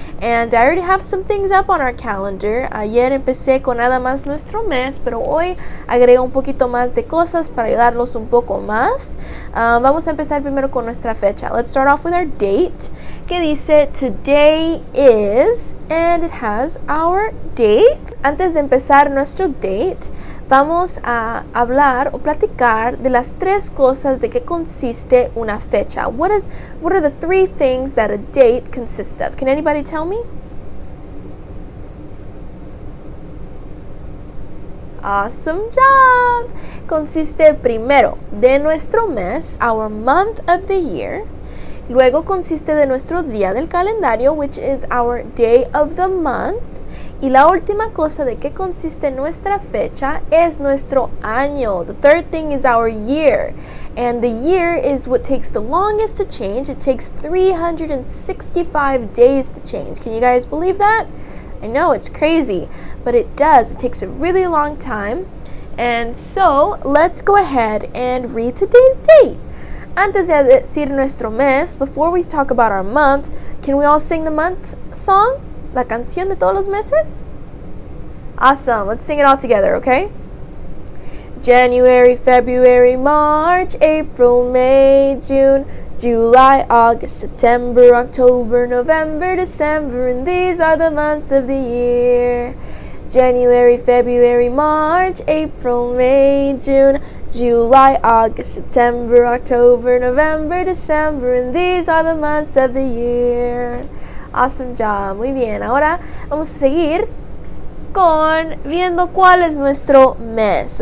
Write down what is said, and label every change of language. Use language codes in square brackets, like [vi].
[en] And I already have some things up on our calendar. [es] Ayer empecé con nada más nuestro mes, pero hoy agrego un poquito más de cosas para ayudarlos un poco más. Vamos a empezar primero con nuestra fecha. [en] Let's start off with our date, [es] que dice [en] today is, and it has our date. [es] Antes de empezar nuestro date, vamos a hablar o platicar de las tres cosas de qué consiste una fecha. [en] What are the three things that a date consists of? Can anybody tell me? Awesome job! [es] Consiste primero de nuestro mes, [en] our month of the year. [es] Luego consiste de nuestro día del calendario, [en] which is our day of the month. [es] Y la última cosa de qué consiste nuestra fecha es nuestro año. [en] The third thing is our year. And the year is what takes the longest to change. It takes 365 days to change. Can you guys believe that? I know, it's crazy. But it does. It takes a really long time. And so, let's go ahead and read today's date. [es] Antes de decir nuestro mes, [en] before we talk about our month, can we all sing the month song? [es] La canción de todos los meses? [en] Awesome, let's sing it all together, okay? January, February, March, April, May, June, July, August, September, October, November, December, and these are the months of the year. January, February, March, April, May, June, July, August, September, October, November, December, and these are the months of the year. Awesome job. [es] Muy bien. Ahora vamos a seguir con viendo cuál es nuestro mes.